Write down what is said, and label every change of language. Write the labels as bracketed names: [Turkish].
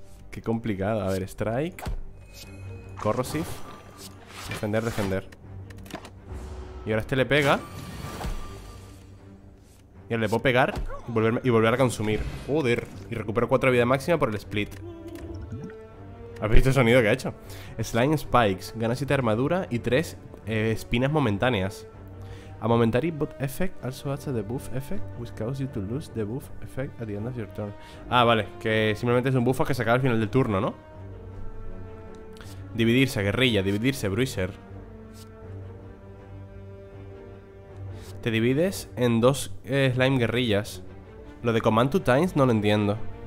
[Spanish] Qué complicado. A ver, strike. Corrosive. Defender, defender. Y ahora este le pega. Y ahora le puedo pegar y volver a consumir. ¡Joder! Y recupero 4 de vida máxima por el split. ¿Has visto el sonido que ha hecho? Slime Spikes. Gana 7 armadura y 3 espinas momentáneas. [English] A momentary buff effect also adds a debuff effect, which causes you to lose the buff effect at the end of your turn. [Spanish] Ah, vale. Que simplemente es un buff que se acaba al final del turno, ¿no? Dividirse, guerrilla. Dividirse, bruiser. Te divides en 2 slime guerrillas. Lo de command 2 times no lo entiendo.